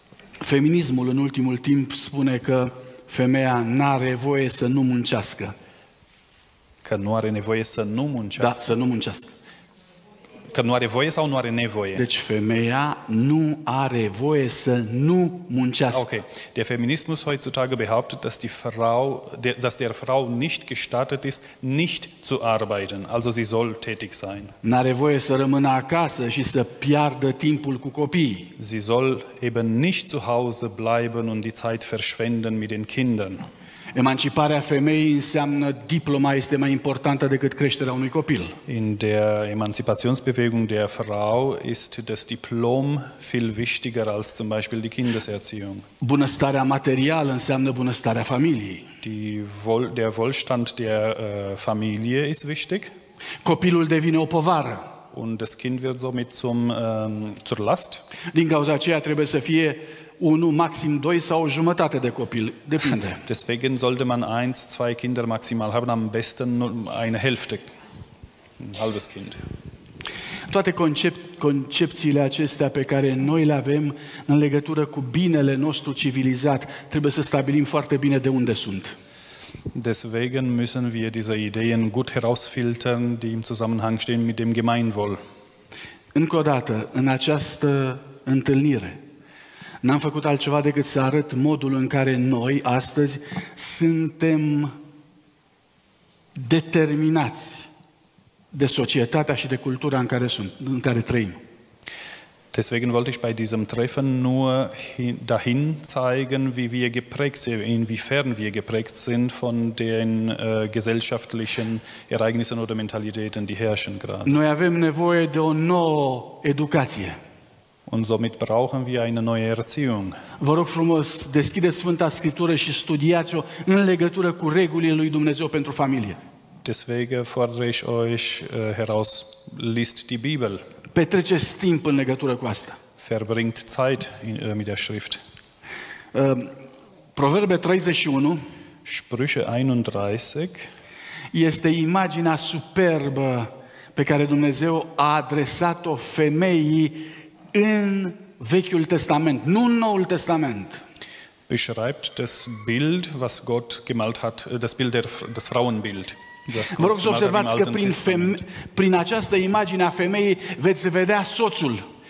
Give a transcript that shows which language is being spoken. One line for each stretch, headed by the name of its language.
Romanian: Feminismul în ultimul timp spune că femeia n-are voie să nu muncească. Că nu are nevoie să nu muncească. Da, să nu muncească. Că nu are voie sau nu are nevoie? Deci femeia nu are voie să nu muncească. Ok.
German: Der Feminismus heutzutage behauptet, dass die Frau, dass der Frau nicht gestattet ist, nicht zu arbeiten. Also sie soll tätig sein.
Romanian: N-are voie să rămână acasă și să piardă timpul cu copiii.
German: Sie soll eben nicht zu Hause bleiben und die Zeit verschwenden mit den Kindern.
Romanian: Emanciparea femeii înseamnă diploma este mai importantă decât creșterea unui copil.
German: In der Emanzipationsbewegung der Frau ist das Diplom viel wichtiger als zum Beispiel die Kindeserziehung.
Romanian: Bunăstarea materială înseamnă bunăstarea familiei.
German: Der Wohlstand der Familie ist wichtig.
Romanian: Copilul devine o povară.
German: Und das Kind wird somit zur Last.
Romanian: Din cauza aceea trebuie să fie unul, maxim doi sau o jumătate de copil, depinde.
German: Deswegen sollte man eins, zwei Kinder maximal haben, am besten nur eine Hälfte, ein halbes Kind.
Romanian: Toate concepțiile acestea pe care noi le avem în legătură cu binele nostru civilizat, trebuie să stabilim foarte bine de unde sunt.
German: Deswegen müssen wir diese Ideen gut herausfiltern, die im Zusammenhang stehen mit dem Gemeinwohl.
Romanian: Încă o dată, în această întâlnire, n-am făcut altceva decât să arăt modul în care noi astăzi suntem determinați de societatea și de cultura în care trăim.
German: Deswegen wollte ich bei diesem Treffen nur dahin zeigen, wie wir geprägt sind, inwiefern wir geprägt sind von den gesellschaftlichen Ereignissen oder Mentalitäten, die herrschen gerade.
Romanian: Noi avem nevoie de o nouă educație.
German: Und somit brauchen wir eine neue Erziehung.
Romanian: Vă rog frumos, deschideți Sfânta Scriptură și studiați-o în legătură cu regulile lui Dumnezeu pentru familie.
German: Deswegen fordere ich euch heraus, liest die Bibel.
Romanian: Petreceți timp în legătură cu asta.
German: Verbringt Zeit mit der Schrift.
Romanian: Proverbe 31,
German: Sprüche 31,
Romanian: este imaginea superbă pe care Dumnezeu a adresat-o femeii în Vechiul Testament, nu în Noul Testament.
German: Beschreibt das Bild, was Gott gemalt hat, das Bild der, das Frauenbild.
Romanian: Vă rog să observați că prin această imagine a femeii veți vedea soțul.